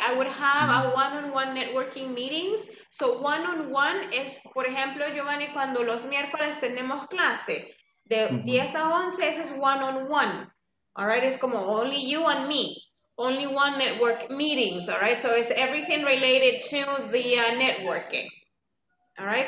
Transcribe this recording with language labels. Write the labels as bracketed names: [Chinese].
[English] I would have a one-on-one networking meetings. [Spanish] So one-on-one es, por ejemplo, Giovanni, cuando los miércoles tenemos clase, de 10 a 11, ese es one-on-one. [English] All right? [Spanish] Es como [English] only you and me. Only one network meetings, all right? So it's everything related to the networking, all right?